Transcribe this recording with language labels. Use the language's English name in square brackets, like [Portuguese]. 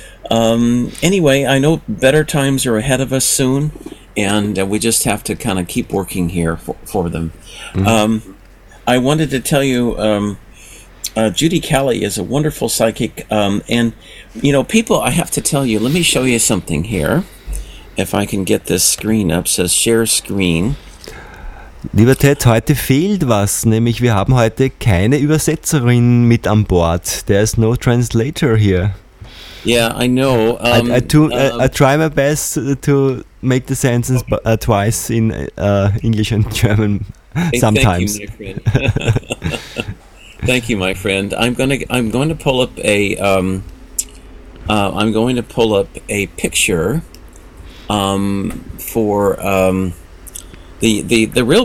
[English] Anyway, I know better times are ahead of us soon, and we just have to kind of keep working here for them. Mm-hmm. I wanted to tell you... Judy Kelly is a wonderful psychic, and you know, people, I have to tell you, let me show you something here, if I can get this screen up. It says share screen. [German] Lieber Ted, heute fehlt was, nämlich wir haben heute keine Übersetzerin mit an Bord. [English] There is no translator here. Yeah, I know. I try my best to make the sentence twice in English and German sometimes. Thank you, my friend. Thank you, my friend. I'm going to pull up a picture for the real.